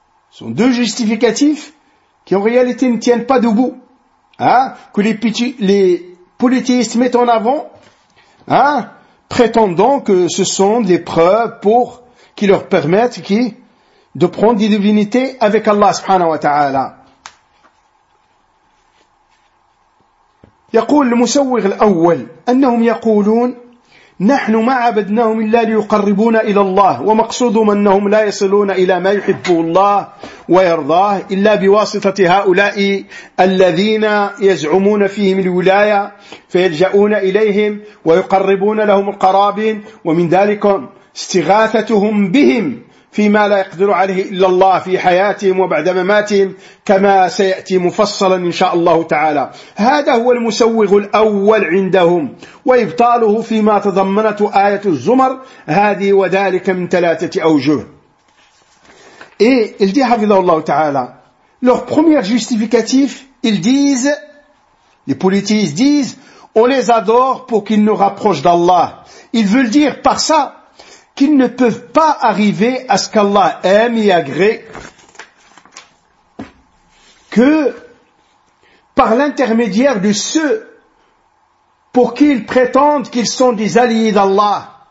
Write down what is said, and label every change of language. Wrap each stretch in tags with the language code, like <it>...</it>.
<fr>Ce sont deux justificatifs qui en réalité ne tiennent pas debout, hein, que les polythéistes mettent en avant, hein, prétendant que ce sont des preuves pour qui leur permettent qui de prendre des divinités avec Allah subhanahu wa ta'ala.</fr> <ar>يقول المسوغ الأول أنهم يقولون نحن ما عبدناهم إلا ليقربونا إلى الله ومقصودهم أنهم لا يصلون إلى ما يحبه الله ويرضاه إلا بواسطة هؤلاء الذين يزعمون فيهم الولاية فيلجأون إليهم ويقربون لهم القرابين ومن ذلك استغاثتهم بهم فيما لا يقدر عليه إلا الله في حياتهم وبعد مماتهم كما سيأتي مفصلا إن شاء الله تعالى. هذا هو المسوغ الأول عندهم، وإبطاله فيما تضمنت آية الزمر هذه وذلك من ثلاثة أوجه.</ar> <fr>Et il dit</fr> <ar>حفظه الله تعالى</ar> <fr>leur premier justificatif, ils disent, les politistes disent, on les adore pour qu'ils nous rapprochent d'Allah. Ils veulent dire par ça qu'ils ne peuvent pas arriver à ce qu'Allah aime et agrée que par l'intermédiaire de ceux pour qui ils prétendent qu'ils sont des alliés d'Allah.</fr>